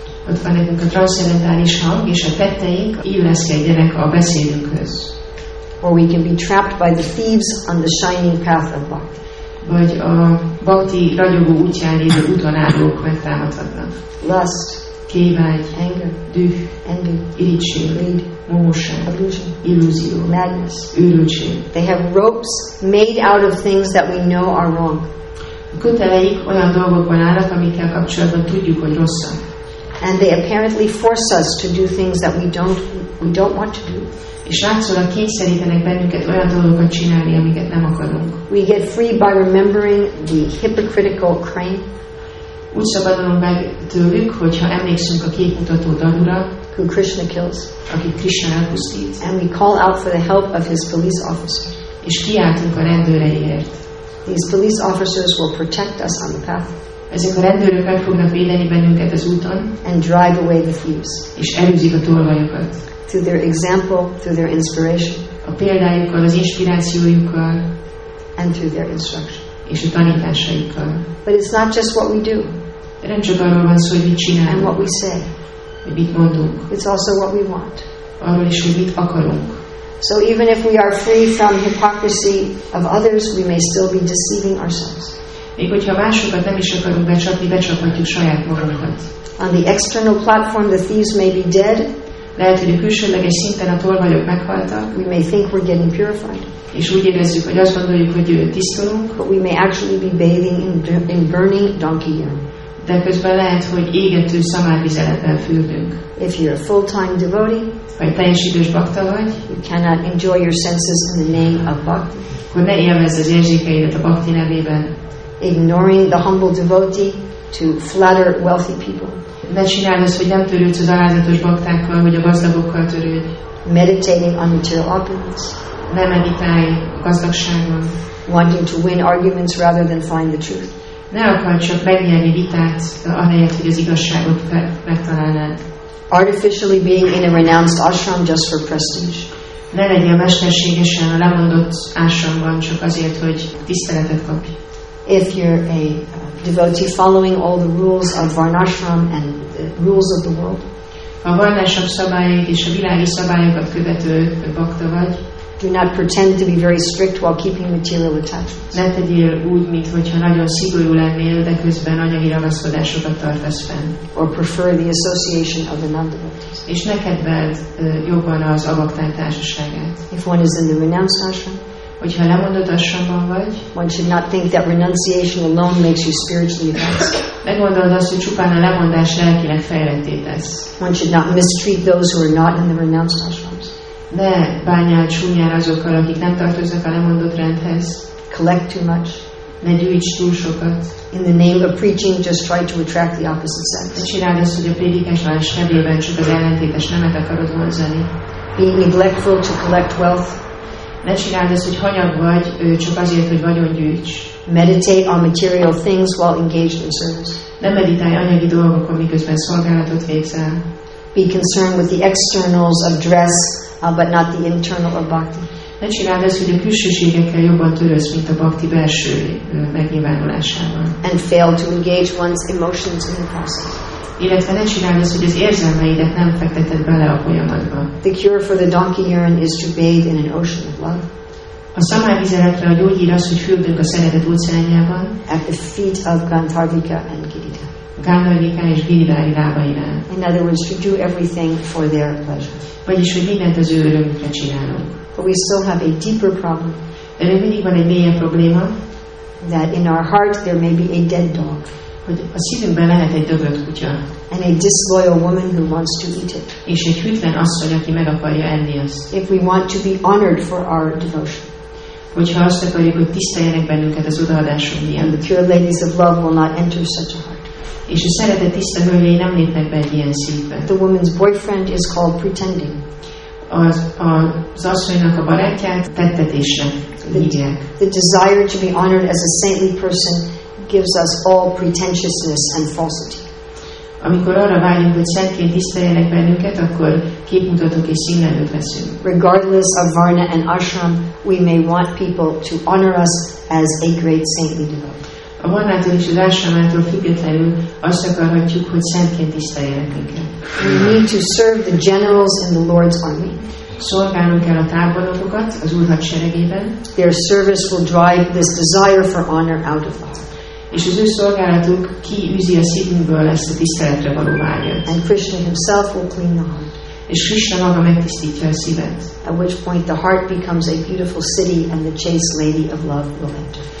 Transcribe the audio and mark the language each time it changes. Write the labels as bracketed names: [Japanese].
[Hungarian] Ott van nekünk a transzcendentális hang, és a tetteink illeszkedjenek a beszélünkhöz. [English] Or we can be trapped by the thieves on the shining path of bhakti. [Hungarian] Vagy a bhakti ragyogó útján lévő útvonállók megtámadhatnak. [English] Lust, [Hungarian] kívágy, [English] anger, [Hungarian] düh, [English] envy, [Hungarian] irigység, [English] greed, [Hungarian] mohosság, [English] illusion, [Hungarian] illúzió, [English] madness, [Hungarian] őrültség. [English] They have ropes made out of things that we know are wrong. [Hungarian] A köteleik olyan dolgokban állnak, amikkel kapcsolatban tudjuk, hogy rosszak. [English] And they apparently force us to do things that we don't want to do. [Hungarian] És látszólag kényszerítenek bennünket olyan dolgokat csinálni, amiket nem akarunk. [English] We get free by remembering the hypocritical crane. [Hungarian] Úgy szabadulunk meg tőlük, hogyha emlékszünk a képmutató danura, [English] who Krishna kills, [Hungarian] aki Krishna elpusztít. [English] And we call out for the help of his police officer. [Hungarian] És kiáltunk a rendőreiért. [English] These police officers will protect us on the path. [Hungarian] Ezek a rendőrök el fognak védeni bennünket az úton, [English] and drive away the thieves. [Hungarian] És elűzik a tolvajokat. [English] Through their example, through their inspiration. [Hungarian] A példájukkal, az inspirációjukkal, [English] and through their instruction. [Hungarian] És a tanításaikkal. [English] But it's not just what we do. [Hungarian] Nem csak arról van szó, hogy mit csinálunk. [English] And what we say. [Hungarian] Hogy mit mondunk. [English] It's also what we want. [Hungarian] Arról is, hogy mit akarunk. [English] So even if we are free from hypocrisy of others, we may still be deceiving ourselves. [Hungarian] Még hogyha másokat nem is akarunk becsapni, becsaphatjuk saját magunkat. [English] On the external platform, the thieves may be dead. [Hungarian] Lehet, hogy a külsőleges szinten a tolvajok meghaltak. [English] We may think we're getting purified. [Hungarian] És úgy érezzük, hogy azt gondoljuk, hogy tisztulunk. [English] But we may actually be bathing in burning donkey urine. [Hungarian] De közben lehet, hogy égető szamárvizeletben fürdünk. [English] If you're a full-time devotee, [Hungarian] ha egy teljes idős bhakta vagy, [English] you cannot enjoy your senses in the name of bhakti. [Hungarian] Akkor ne élvezz az érzékeidet a bhakti nevében. [English] Ignoring the humble devotee to flatter wealthy people. [Hungarian] Ne csináld azt, hogy nem törődsz az alázatos baktákkal, vagy a gazdagokkal törődj. [English] Meditating on material opulence. [Hungarian] Ne meditálj a gazdagságon. [English] Wanting to win arguments rather than find the truth. [Hungarian] Ne akarj csak megnyerni vitát, ahelyett, hogy az igazságot megtalálnád. [English] Artificially being in a renounced ashram just for prestige. [Hungarian] Ne legyél mesterségesen a lemondott ashramban csak azért, hogy tiszteletet kapj. [English] If you're a devotee following all the rules of varnashram and the rules of the world, [Hungarian] a varnashram szabályait és a világi szabályokat követő bhakta vagy, [English] do not pretend to be very strict while keeping material attachments. [Hungarian] Ne tegyél úgy, mintha nagyon szigorú lennél, de közben anyagi ragaszkodásokat tartasz fenn. [English] Or prefer the association of the non-devotees. [Hungarian] És ne kedveld jobban az avakták társaságát. [English] If one is in the renounced ashram, [Hungarian] hogyha lemondott ashramban vagy, [English] one should not think that renunciation alone makes you spiritually advanced. [Hungarian] Ne gondold azt, hogy csupán a lemondás lelkinek fejletté tesz. [English] One should not mistreat those who are not in the renounced ashrams. [Hungarian] Ne bánjál csúnyán azokkal, akik nem tartoznak a lemondott rendhez. [English] Collect too much. [Hungarian] Ne gyűjts túl sokat. [English] In the name of preaching, just try to attract the opposite sex. [Hungarian] Ne csináld azt, hogy a prédikálás nevében csak az ellentétes nemet akarod vonzani. [English] Be neglectful to collect wealth. [Hungarian] Ne csináld ezt, hogy hanyag vagy, csak azért, hogy vagyon gyűjts. [English] Meditate on material things while engaged in service. [Hungarian] Ne meditálj anyagi dolgokon, miközben szolgálatot végzel. [English] Be concerned with the externals of dress, but not the internal of bhakti. [Hungarian] Ne csináld ezt, hogy a külsőségekkel jobban törődsz, mint a bhakti belső megnyilvánulásával. [English] And fail to engage one's emotions in the process. [Hungarian] Illetve ne csináld azt, hogy az érzelmeidet nem fekteted bele a folyamatba. [English] The cure for the donkey urine is to bathe in an ocean of love. [Hungarian] A szamárvizeletre a gyógyír az, hogy fürdünk a szeretet óceánjában. [English] At the feet of Gandharvika and Girida. [Hungarian] Gandharvika és Giridhari lábainál. [English] In other words, to do everything for their pleasure. [Hungarian] Vagyis, hogy mindent az ő örömükre csinálunk. [English] But we still have a deeper problem. [Hungarian] De mindig van egy mélyebb probléma. [English] That in our heart there may be a dead dog. [Hungarian] Hogy a szívünkben lehet egy dögött kutya. [English] And a disloyal woman who wants to eat it. [Hungarian] És egy hűtlen asszony, aki meg akarja enni azt. [English] If we want to be honored for our devotion. [Hungarian] Hogyha azt akarjuk, hogy tiszteljenek bennünket az odaadásunk miatt. [English] And the pure ladies of love will not enter such a heart. [Hungarian] És a szeretet tiszta hölgyei nem lépnek be egy ilyen szívbe. [English] The woman's boyfriend is called pretending. [Hungarian] Az asszonynak a barátját tettetésre hívják. [English] The desire to be honored as a saintly person gives us all pretentiousness and falsity. [Hungarian] Amikor arra vágyunk, hogy szentként tiszteljenek bennünket, akkor képmutatók és színlelők leszünk. [English] Regardless of varna and ashram, we may want people to honor us as a great saintly devotee. [Hungarian] A varnától és az ashramától függetlenül azt akarhatjuk, hogy szentként tiszteljenek minket. [English] We need to serve the generals in the Lord's army. [Hungarian] Szolgálnunk kell a tábornokokat az Úr hadseregében. [English] Their service will drive this desire for honor out of us. [Hungarian] És az ő szolgálatuk kiűzi a szívünkből ezt a tiszteletre való vágyat. [English] And Krishna himself will clean the heart. [Hungarian] És Krishna maga megtisztítja a szívet. [English] At which point the heart becomes a beautiful city and the chaste lady of love will enter.